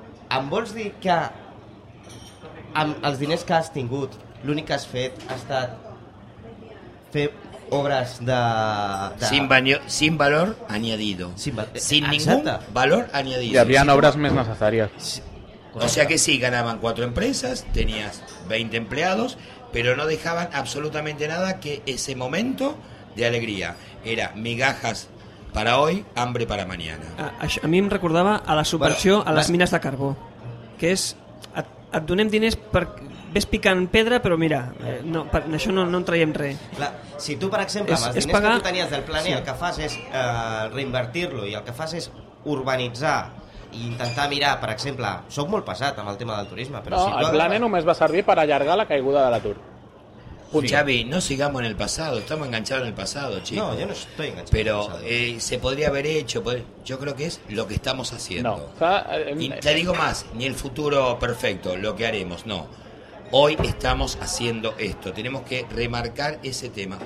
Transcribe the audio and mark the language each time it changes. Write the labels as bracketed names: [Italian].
[Catalan] Em vols dir que amb els diners que has tingut, l'únic que has fet ha estat fer obres de... [Spanish] Sin valor añadido. Sin ningún valor añadido. [Catalan] Hi havia obres més necessàries. [Spanish] O sea que sí, ganaban 4 empresas, tenías 20 empleados, pero no dejaban absolutamente nada que ese momento de alegría. Era migajas para hoy, hambre para mañana. A mí me recordaba a la subversión, bueno, a las minas de carbó, que es, [Catalan] et donem diners per... Ves picant pedra, però mira, no, per això no en traiem res. Clar, si tu, per exemple, amb els diners pagar... que tu tenies del Plan E, sí, el que fas és reinvertir-lo i el que fas és urbanitzar i intentar mirar, per exemple, soc molt pesat amb el tema del turisme, però no, si el Plan E només va servir per allargar la caiguda de l'atur. [Spanish] Xavi, no sigamos en el pasado, estamos enganchados en el pasado, chico. No, yo no estoy enganchado. Pero se podría haber hecho, yo creo que es lo que estamos haciendo. No. Y te digo más, ni el futuro perfecto, lo que haremos, no. hoy estamos haciendo esto. Tenemos que remarcar ese tema.